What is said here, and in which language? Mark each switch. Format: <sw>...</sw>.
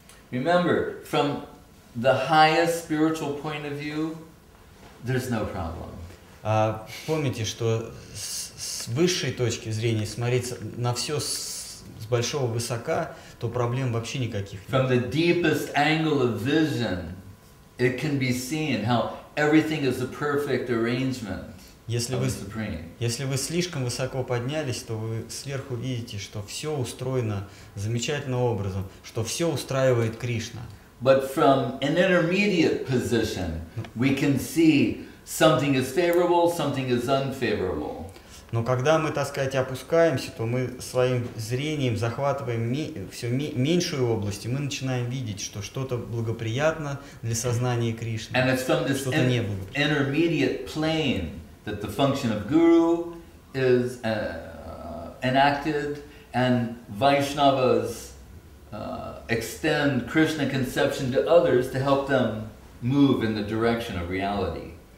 <en>Remember, from the highest spiritual point of view, there's no problem.</en> <ru>Помните, что с высшей точки зрения смотреть на все с большого высока, то проблем вообще никаких нет.</ru> <en>From the deepest angle of vision, it can be seen how everything is a perfect arrangement.</en> <ru>Если вы слишком высоко поднялись, то вы сверху видите, что все устроено замечательным образом, что все устраивает Кришна.</ru> <en>But from an intermediate position, we can see something is favorable, something is unfavorable.</en> <ru>Но когда мы, так сказать, опускаемся, то мы своим зрением захватываем все меньшую область, и мы начинаем видеть, что что-то благоприятно для сознания Кришны,</ru> <en>and it's from this</en> <ru>что-то неблагоприятно.</ru> <en>Intermediate plane. That the function of guru is enacted, and Vaishnavas extend Krishna conception to others to help them move in the direction of reality.</en>